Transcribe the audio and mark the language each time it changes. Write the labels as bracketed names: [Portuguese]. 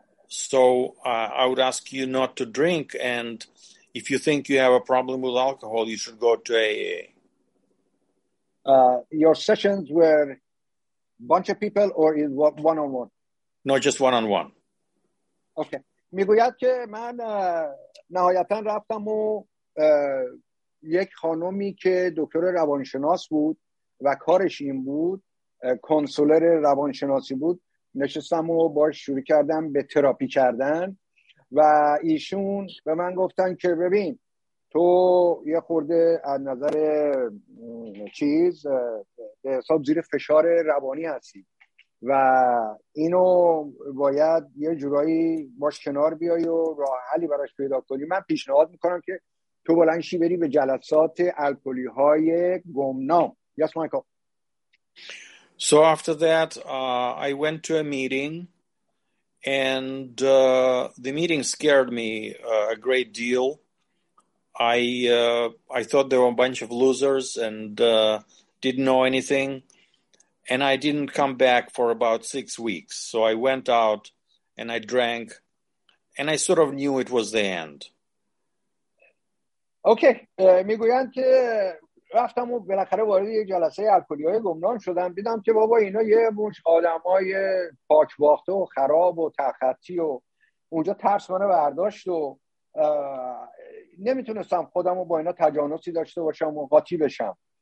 [English] So I would ask you not to drink. And if you think you have a problem with alcohol, you should go to AA. Your sessions were bunch of people or is one on one? No, just one on one. Okay. [Persian] میگوید که من نهایتا رفتم و یک خانومی که دکتر روانشناس بود و کارش این بود، کنسولر روانشناسی بود، نشستم و باش شروع کردم به تراپی کردن و ایشون به من گفتن که ببین تو یه خورده از نظر چیز به حساب زیر فشار روانی هستی و اینو باید یه جورایی باش کنار بیای و راه حلی براش پیدا کنی. من پیشنهاد میکنم که تو بلند شی بری به جلسات الکلی های گمنام. [English] Yes, Michael. So after that, I went to a meeting, and the meeting scared me a great deal. I thought there were a bunch of losers and didn't know anything, and I didn't come back for about 6 weeks. So I went out and I drank, and I sort of knew it was the end. [Persian] Okay, میگویند که رفتم و بالاخره وارد یک جلسه الکلی‌های گمنام شدم، دیدم که بابا اینا یه مش آدمای پاک باخته و خراب و تخطی و اونجا ترس منو برداشت و نمیتونستم خودم رو با اینا تجانسی داشته باشم و قاطی بشم.